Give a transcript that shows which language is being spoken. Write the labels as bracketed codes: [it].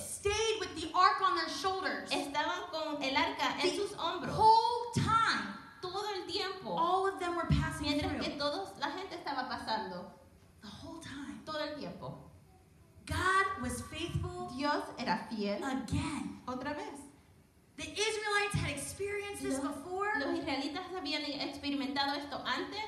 [en] stayed with the ark on their shoulders, [es] estaban con el arca en sus hombros, [en] whole time, [es] todo el tiempo, [en] all of them were passing [es] mientras [en] through, [es] mientras que todos la gente estaba pasando, [en] the whole time, [es] todo el tiempo. [en] God was faithful, [es] Dios era fiel, [en] again, [es] otra vez. [en] The Israelites had experienced this before. [es] Los israelitas habían experimentado esto antes.